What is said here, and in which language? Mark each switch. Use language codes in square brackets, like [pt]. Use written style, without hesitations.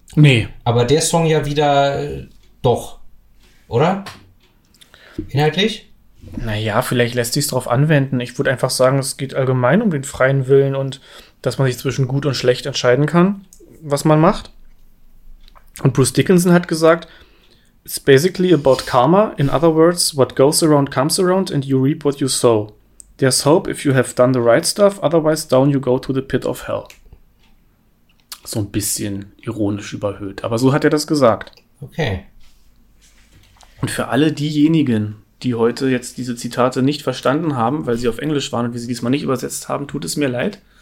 [de] Nee. Aber der Song ja wieder doch, oder? Inhaltlich? Naja, vielleicht lässt sich's drauf anwenden. Ich würde einfach sagen, es geht allgemein um den freien Willen und dass man sich zwischen gut und schlecht entscheiden kann, was man macht. Und Bruce Dickinson hat gesagt, [en] it's basically about karma, in other words, what goes around comes around and you reap what you sow. There's hope if you have done the right stuff, otherwise down you go to the pit of hell. [de] So ein bisschen ironisch überhöht. Aber so hat er das gesagt. Okay. Und für alle diejenigen, die heute jetzt diese Zitate nicht verstanden haben, weil sie auf Englisch waren und wir sie diesmal nicht übersetzt haben, tut es mir leid.